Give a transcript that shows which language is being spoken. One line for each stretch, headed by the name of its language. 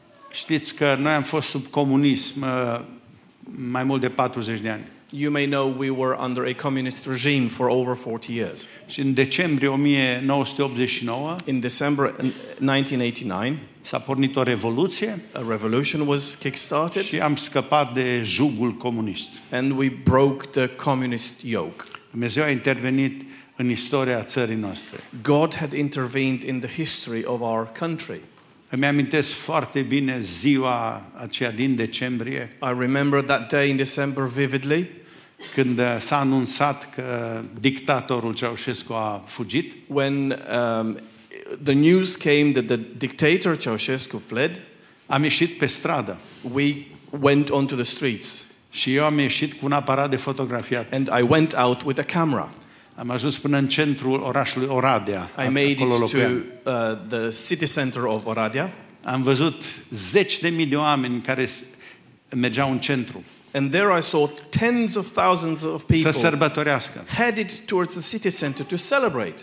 Romanian: știți că noi am fost sub comunism mai mult de 40 de ani.
English: You may know we were under a communist regime for over 40 years.
Romanian: Și în decembrie 1989,
English: in December 1989,
Romanian: s-a pornit o revoluție.
English: A revolution was kickstarted.
Romanian: Și am scăpat de jugul comunist.
English: And we broke the communist yoke.
Romanian: Dumnezeu a intervenit în istoria țării noastre.
English: God had intervened in the history of our country.
Romanian: Îmi amintesc foarte bine ziua aceea din decembrie.
English: I remember that day in December vividly.
Romanian: Când s-a anunțat că dictatorul Ceaușescu a fugit.
English: When the news came that the dictator Ceaușescu fled.
Romanian: Am ieșit pe stradă.
English: We went onto the streets.
Romanian: Și eu am ieșit cu un aparat de fotografiat.
English: And I went out with a camera.
Romanian: Am ajuns până în centrul orașului Oradea.
English: I made it to the city center of Oradea.
Romanian: Am văzut zeci de mii de oameni care mergeau în centru.
English: And there I saw tens of thousands of people.
Romanian: Să sărbătorească.
English: Headed towards the city center to celebrate.